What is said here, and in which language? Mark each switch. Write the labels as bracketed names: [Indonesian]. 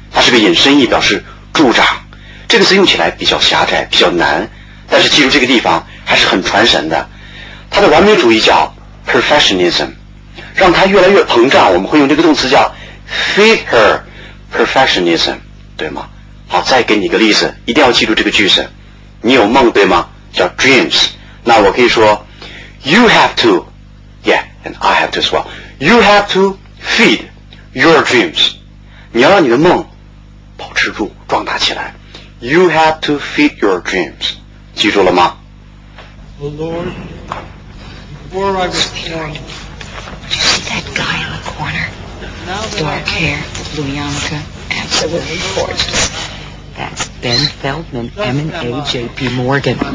[Chinese] 它是个引申义，表示助长。这个词用起来比较狭窄，比较难，但是记住这个地方还是很传神的。它的完美主义叫 perfectionism， 让它越来越膨胀，我们会用这个动词叫 [English] feed her perfectionism， [Chinese] 对吗？好，再给你一个例子，一定要记住这个句子。你有梦对吗？叫 dreams。那我可以说 [English] You have to Yeah, and I have to as well. You have to feed your dreams. [Chinese] 你要让你的梦保持住，壮大起来。 [English] You have to feed your dreams. [Chinese] 记住了吗？ [English] The Lord, before I was born, did you see that guy in the corner? Dark hair, blue yarmulke, absolutely gorgeous. That's Ben Feldman, M&A J.P. Morgan.